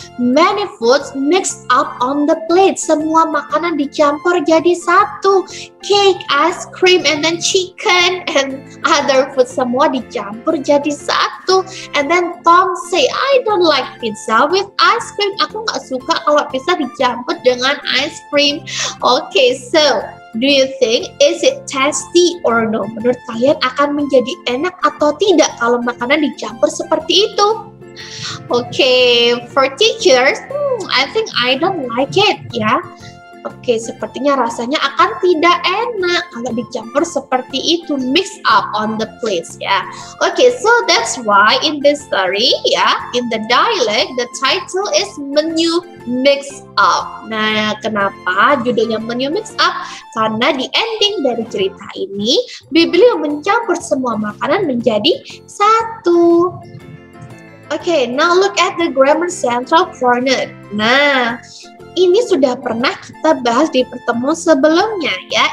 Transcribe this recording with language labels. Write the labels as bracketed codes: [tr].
[en] Many foods mixed up on the plate. [id] Semua makanan dicampur jadi satu. [en] Cake, ice cream, and then chicken and other food. [id] Semua dicampur jadi satu. [en] And then Tom say, I don't like pizza with ice cream. [id] Aku gak suka kalau pizza dicampur dengan ice cream. [en] Okay, so do you think, is it tasty or no? [id] Menurut kalian akan menjadi enak atau tidak kalau makanan dicampur seperti itu? [en] Okay, for teachers, I think I don't like it, ya. Yeah. [id] Okay, sepertinya rasanya akan tidak enak kalau dicampur seperti itu, [en] mix up on the plate, [id] ya. Yeah. [en] Okay, so that's why in this story, ya, yeah, in the dialect, the title is menu mix up. [id] Nah, kenapa judulnya menu mix up? Karena di ending dari cerita ini, Biblio mencampur semua makanan menjadi satu. [en] Okay, now look at the grammar central corner. [id] Nah, ini sudah pernah kita bahas di pertemuan sebelumnya ya.